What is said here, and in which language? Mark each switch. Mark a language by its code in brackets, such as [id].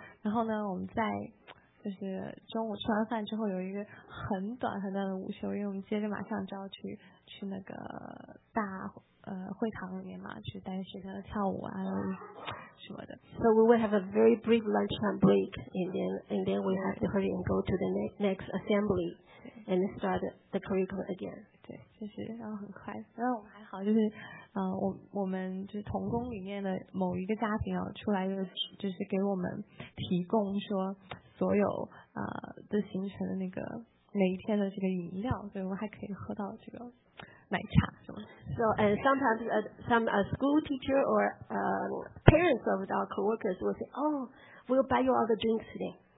[zh] 然后呢，我们在就是中午吃完饭之后有一个很短很短的午休，因为我们接着马上就要去那个大会堂里面嘛，去带学生跳舞啊什么的。 [en] So we will have a very brief lunchtime break, and then we have to hurry and go to the next assembly and start the curriculum again. [zh] 对，就是要很快。然后我们还好，就是我们就是同工里面的某一个家庭啊，出来就是给我们提供说所有的行程的那个每一天的这个饮料，所以我们还可以喝到这个奶茶，是吗？ [en] So and sometimes some school teacher or parents of our coworkers will say, "Oh, we'll buy you all the drinks today."